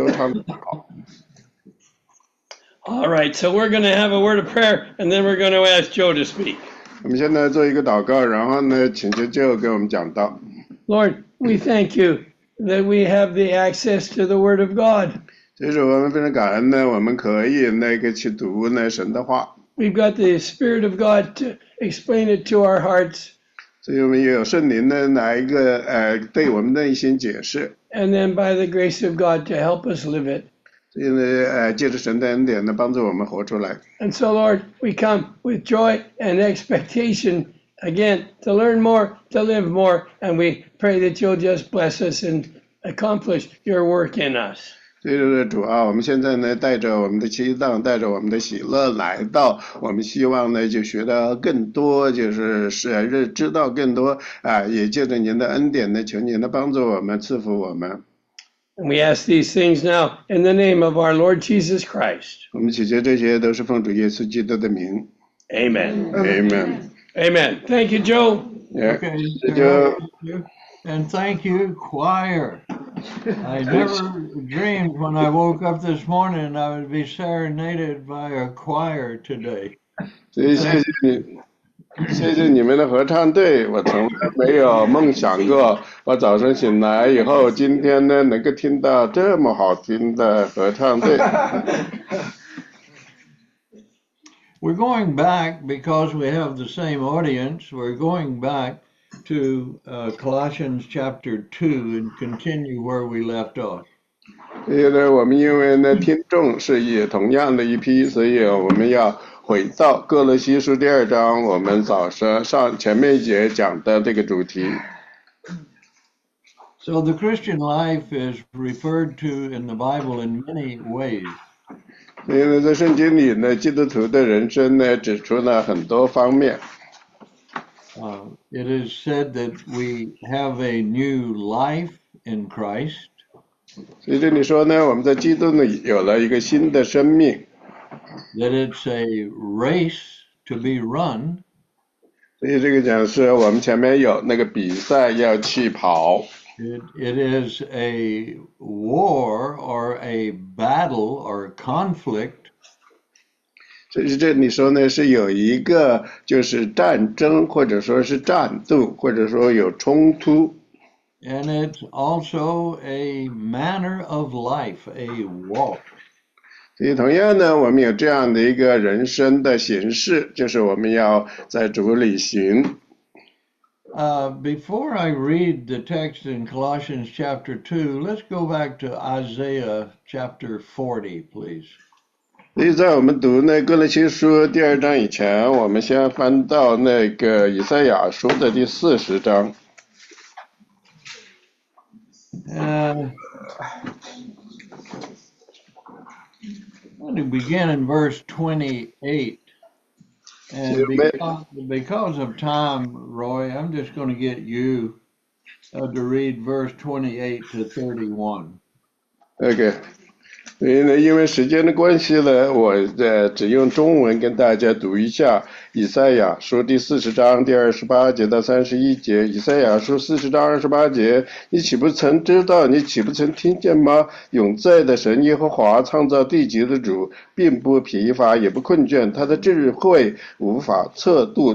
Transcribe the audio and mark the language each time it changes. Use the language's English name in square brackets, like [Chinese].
[Chinese] 非常好，我只唱错了一句，这是他的错，你们都唱得好。All [English] right, so we're going to have a word of prayer, and then we're going to ask Joe to speak. [Chinese] 我们现在做一个祷告，然后呢，请求Joe给我们讲道。 [English] Lord, we thank you that we have the access to the Word of God. [Chinese] 其实我们非常感恩呢，我们可以那个去读那神的话。 [English] We've got the Spirit of God to explain it to our hearts. [Chinese] 所以我们也有圣灵呢，来一个对我们内心解释。 [English] And then by the grace of God to help us live it. [Chinese] 所以呢，借着神的恩典呢，帮助我们活出来。 [English] And so, Lord, we come with joy and expectation again to learn more, to live more, and we pray that you'll just bless us and accomplish your work in us. [Chinese] 所以说主啊，我们现在呢，带着我们的期待，带着我们的喜乐来到，我们希望呢，就学到更多，就是知道更多啊，也借着您的恩典呢，求您的帮助我们，赐福我们。 [English] And we ask these things now in the name of our Lord Jesus Christ. [Chinese] 我们祈求这些都是奉主耶稣基督的名。 [English] Amen. Amen. Amen. Thank you, Joe. Yeah. Okay, Joe. And thank you, choir. I never dreamed when I woke up this morning I would be serenaded by a choir today. [Chinese] 谢谢你，谢谢你们的合唱队。我从来没有梦想过，我早上醒来以后，今天呢能够听到这么好听的合唱队。 [English] We're going back because we have the same audience. We're going back. To Colossians chapter 2 and continue where we left off. [Chinese] 所以呢，我们因为呢听众是也同样的一批，所以我们要回到哥罗西书第二章，我们早上上前面一节讲的这个主题。 [English] So the Christian life is referred to in the Bible in many ways. [Chinese] 所以呢，在圣经里呢，基督徒的人生呢，指出了很多方面。 [English] It is said that we have a new life in Christ. [Chinese] 所以这里说呢，我们在基督里有了一个新的生命。 [English] That it's a race to be run. [Chinese] 所以这个讲是我们前面有那个比赛要去跑。 [English] It is a war or a battle or a conflict. [Chinese] 所以这你说呢是有一个就是战争或者说是战斗或者说有冲突。 [English] And it's also a manner of life, a walk. [Chinese] 所以同样呢我们有这样的一个人生的形式就是我们要在主里行。 [English] Before I read the text in Colossians chapter 2, let's go back to Isaiah chapter 40, please. [Chinese] 所以在我们读那哥罗西书第二章以前，我们先翻到那个以赛亚书的第四十章。 [English] Let me begin in verse 28. And because of time, Roy, I'm just going to get you to read verse 28 to 31. Okay. [Chinese] 所以呢，因为时间的关系呢，我只用中文跟大家读一下《以赛亚书》第四十章第28节到31节，《以赛亚书》四十章28节，你岂不曾知道？你岂不曾听见吗？永在的神耶和华创造地极的主，并不疲乏，也不困倦，他的智慧无法测度。